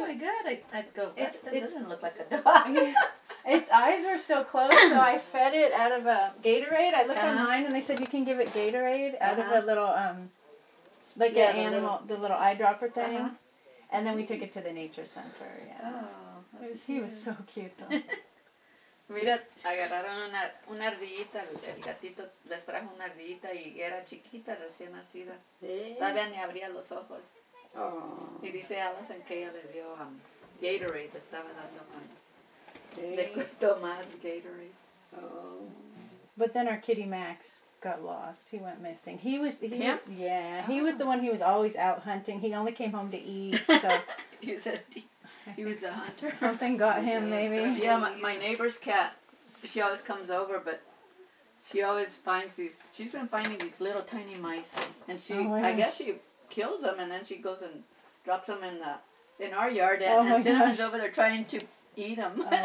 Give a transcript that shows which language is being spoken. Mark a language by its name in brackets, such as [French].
[English] Oh, my God. It doesn't look like a dog. Its eyes were still closed, so I fed it out of a Gatorade. I looked online, and they said you can give it Gatorade out of a little, the little eyedropper thing. Uh-huh. And then we took it to the nature center. Yeah. Oh, he was so cute, though. [Spanish] Mira, agarraron una ardillita, el gatito les trajo una ardillita y era chiquita, recién nacida. ¿Sí? Todavía ni abría los ojos. Oh. Y dice Allison que ella le dio Gatorade, estaba dando le cuento más Gatorade. Oh. [English] But then our kitty Max got lost. He went missing. He was the one who was always out hunting. He only came home to eat. So. He was a hunter. Something got him, maybe. Yeah, my neighbor's cat, she always comes over, but she always finds she's been finding these little tiny mice, and I guess she kills them, and then she goes and drops them in our yard, and Cinnamon's over there trying to eat them.